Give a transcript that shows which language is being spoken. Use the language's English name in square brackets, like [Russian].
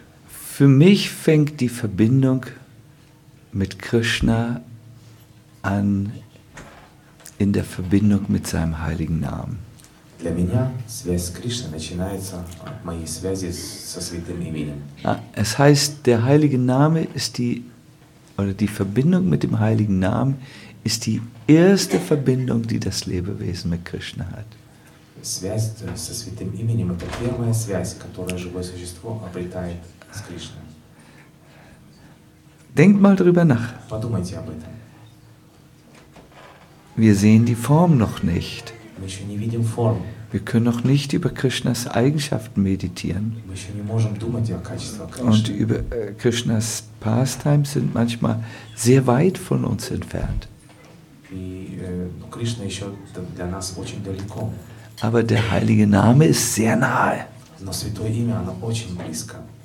[German] Für mich fängt die Verbindung mit Krishna an in der Verbindung mit seinem heiligen Namen. [Russian] Для меня связь с Кришной начинается от моей связи со святым именем. [German] Es heißt, der heilige Name ist die oder die Verbindung mit dem heiligen Namen ist die erste Verbindung, die das Lebewesen mit Krishna hat. [Russian] Связь со святым именем это первая связь, которую живое существо обретает с Кришной. [German] Denkt mal drüber nach. [Russian] Подумайте об этом. [German] Wir sehen die Form noch nicht. [Russian] Мы еще не видим форм. [German] Wir können noch nicht über Krishnas Eigenschaften meditieren. [Russian] Мы еще не можем думать о качестве Кришны. [German] Und über Krishnas pastimes sind manchmal sehr weit von uns entfernt. [Russian] И Кришна еще для нас очень далеко. [German] Aber der heilige Name ist sehr nahe. [Russian] Но святое имя, оно очень близко.